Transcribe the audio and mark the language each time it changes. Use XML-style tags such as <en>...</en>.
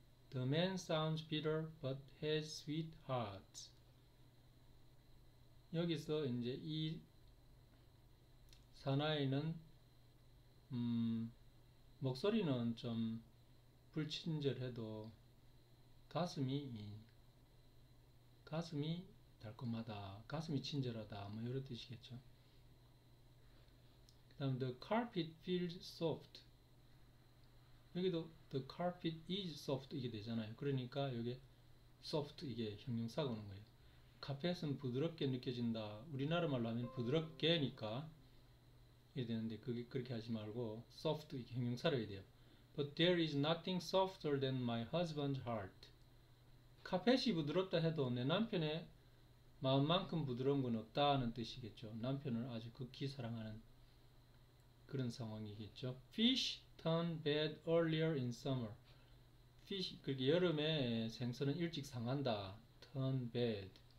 <en>The man sounds bitter but has sweet heart.</en> <ko>여기서 이제 이 사나이는 목소리는 좀 불친절해도 가슴이 달콤하다. 가슴이 친절하다. 뭐 이런 뜻이겠죠. 그다음</ko> <en>the carpet feels soft.</en> <ko>여기도</ko> <en>the carpet is soft</en> <ko>이게 되잖아요. 그러니까 여기 soft 이게 형용사가 오는 거예요. 카펫은 부드럽게 느껴진다. 우리나라 말로 하면 부드럽게니까 이게 되는데 그게 그렇게 하지 말고 soft 이게 형용사로 해야 돼요.</ko> <en>But there is nothing softer than my husband's heart.</en> <ko>카펫이 부드럽다 해도 내 남편의 마음만큼 부드러운 건 없다는 뜻이겠죠. 남편을 아주 극히 사랑하는 그런 상황이겠죠.</ko> <en>Fish turn bad earlier in summer. Fish,</en> <ko>그렇게 여름에 생선은 일찍 상한다.</ko> <en>turn bad.</en>